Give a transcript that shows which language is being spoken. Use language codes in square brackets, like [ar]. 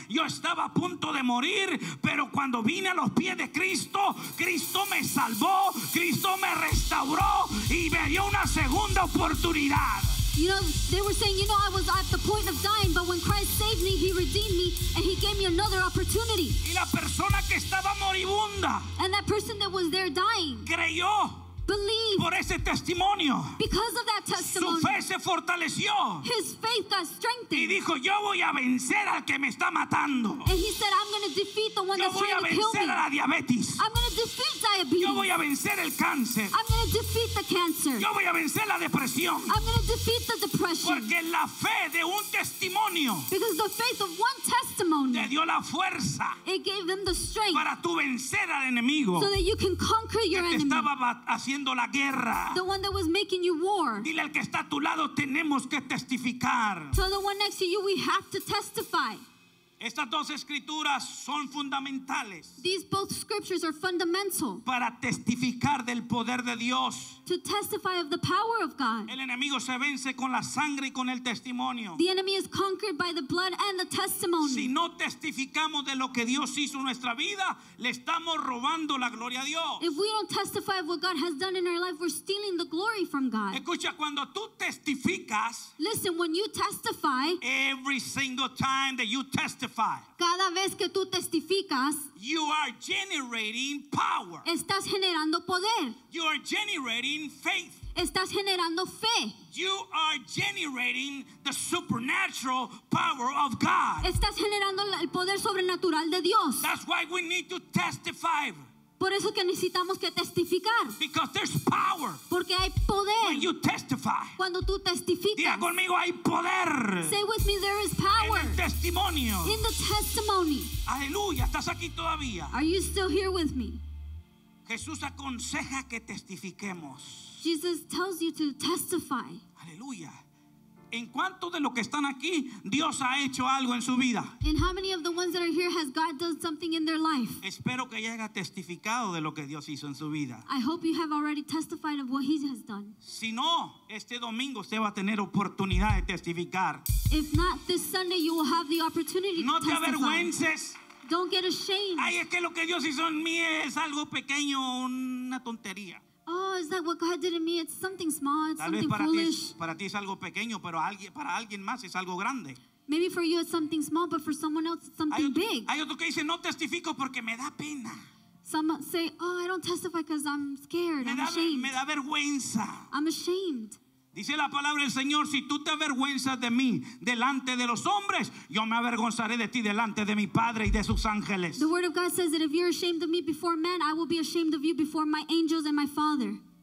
[es] Yo estaba a punto de morir, pero cuando vine a los pies de Cristo, Cristo me salvó, Cristo me restauró y me dio una segunda oportunidad. [en] You know, they were saying, you know, I was at the point of dying, but when Christ saved me, he redeemed me, and he gave me another opportunity. [es] Y la persona que estaba moribunda, [en] and that person that was there dying, [es] creyó, [en] believed, [es] por ese testimonio, [en] because of that testimony, [es] su fe se fortaleció, [en] his faith got strengthened, [es] y dijo, yo voy a vencer al que me está matando, [en] and he said, I'm going to defeat the one [es] yo [en] that's trying to kill me, [es] a la diabetes. [en] I'm going to defeat diabetes, [es] yo voy a vencer el cáncer, [en] I'm going to defeat the cancer, [es] yo voy a vencer la depresión, [en] I'm going to defeat the depression, [es] porque la fe de un testimonio, [en] because the faith of one testimony, [es] le dio la fuerza, [en] it gave them the strength, [es] para tú vencer al enemigo, [en] so that you can conquer your [es] que te [en] enemy, [es] estaba haciendo la guerra. [en] The one that was making you war. [es] Dile al que está a tu lado, tenemos que testificar. [en] Tell the one next to you, we have to testify. [es] Estas dos escrituras son fundamentales. [en] These both scriptures are fundamental. [es] Para testificar del poder de Dios. [en] To testify of the power of God. [es] El enemigo se vence con la sangre y con el testimonio. [en] The enemy is conquered by the blood and the testimony. [es] Si no testificamos de lo que Dios hizo en nuestra vida, le estamos robando la gloria a Dios. [en] If we don't testify of what God has done in our life, we're stealing the glory from God. [es] Escucha, cuando tú testificas. [en] Listen, when you testify. Every single time that you testify. [es] Cada vez que tú testificas. [en] You are generating power. [es] Estás generando poder. [en] You are generating faith. [es] Estás generando fe. [en] You are generating the supernatural power of God. [es] Estás generando el poder sobrenatural de Dios. [en] That's why we need to testify. [es] Por eso que necesitamos que testificar. [en] Because there's power. [es] Porque hay poder. [en] When you testify. [es] Cuando tú testificas. Diga conmigo, hay poder. [en] Say with me, there is power. [es] En el testimonio. [en] In the testimony. [es] Aleluya, ¿estás aquí todavía? [en] Are you still here with me? [es] Jesús aconseja que testifiquemos. [en] Jesus tells you to testify. [es] Aleluya. ¿En cuánto de los que están aquí Dios ha hecho algo en su vida? [en] In how many of the ones that are here has God done something in their life? [es] Espero que haya testificado de lo que Dios hizo en su vida. [en] I hope you have already testified of what he has done. [es] Si no, este domingo usted va a tener oportunidad de testificar. [en] If not, this Sunday you will have the opportunity [es] no [en] to testify. [es] No te avergüences. [en] Don't get ashamed. [es] Ay, es que lo que Dios hizo en mí es algo pequeño, una tontería. [en] Oh, is that what God did in me? It's something small, it's something foolish. [es] Para ti es algo pequeño, pero para alguien más es algo grande. [en] Maybe for you it's something small, but for someone else it's something big. [es] Hay otro que dice, no testifico porque me da pena. [en] Some say, oh, I don't testify because I'm scared, I'm ashamed. [es] Me da vergüenza. [en] I'm ashamed. [es] Dice la palabra del Señor, si tú te avergüenzas de mí delante de los hombres, yo me avergonzaré de ti delante de mi Padre y de sus ángeles. [en] The word of God says that if you're ashamed of me before men, I will be ashamed of you before my angels and my Father.